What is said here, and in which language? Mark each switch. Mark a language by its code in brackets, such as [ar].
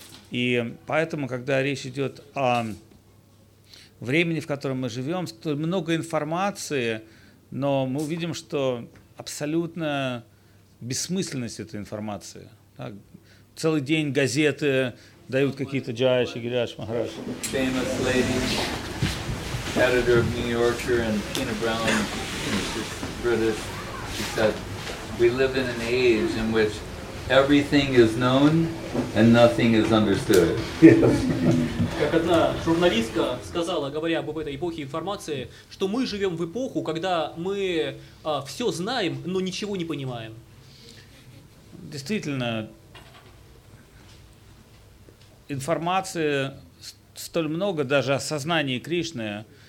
[ru] И поэтому, когда речь идет о времени, в котором мы живем, много информации, но мы увидим, что абсолютно бессмысленность этой информации. Так, целый день газеты дают какие-то джайши, гиряш, махараш. [en] Famous lady, editor of New Yorker and Tina Brown, British, she said, we live in an age in which everything is known and nothing is understood. [ru] Как одна журналистка сказала, говоря об этой эпохе информации, что мы живем в эпоху, когда мы все знаем, но ничего не понимаем. Действительно, информации столь много, даже о сознании Кришны.